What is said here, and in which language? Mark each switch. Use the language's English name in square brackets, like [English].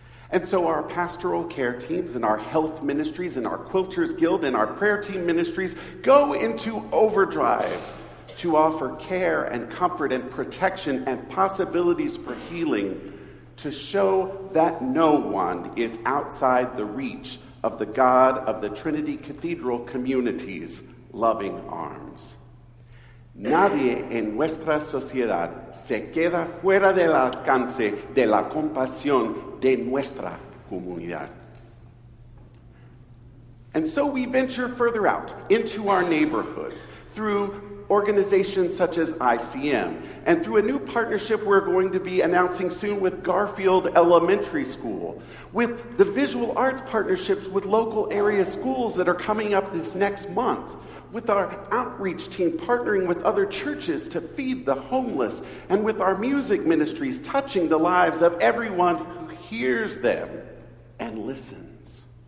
[English] And so our pastoral care teams and our health ministries and our Quilters Guild and our prayer team ministries go into overdrive to offer care and comfort and protection and possibilities for healing, to show that no one is outside the reach of the God of the Trinity Cathedral community's loving arms. [Spanish] Nadie en nuestra sociedad se queda fuera del alcance de la compasión de nuestra comunidad. [English] And so we venture further out into our neighborhoods through organizations such as ICM and through a new partnership we're going to be announcing soon with Garfield Elementary School, with the visual arts partnerships with local area schools that are coming up this next month, with our outreach team partnering with other churches to feed the homeless, and with our music ministries touching the lives of everyone who hears them and listens.